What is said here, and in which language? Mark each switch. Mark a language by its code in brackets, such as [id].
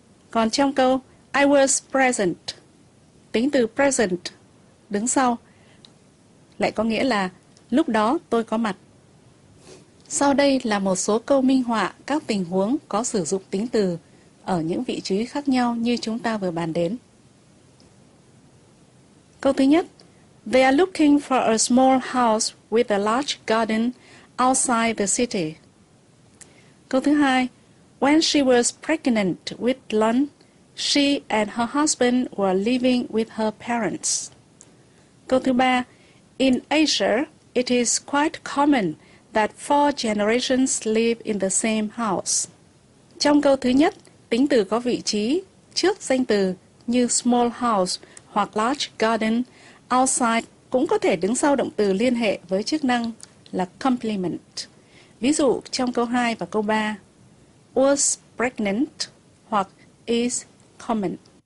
[vi] Còn trong câu [en] I was present, [vi] tính từ present đứng sau lại có nghĩa là lúc đó tôi có mặt. Sau đây là một số câu minh họa các tình huống có sử dụng tính từ ở những vị trí khác nhau như chúng ta vừa bàn đến. Câu thứ nhất. [en] They are looking for a small house with a large garden outside the city. [vi] Câu thứ hai. [en] When she was pregnant with Lund, she and her husband were living with her parents. [vi] Câu thứ ba. [en] In Asia, it is quite common that four generations live in the same house. [vi] Trong câu thứ nhất, tính từ có vị trí trước danh từ như small house hoặc large garden, outside cũng có thể đứng sau động từ liên hệ với chức năng là complement. Ví dụ trong câu 2 và câu 3, was pregnant hoặc is common.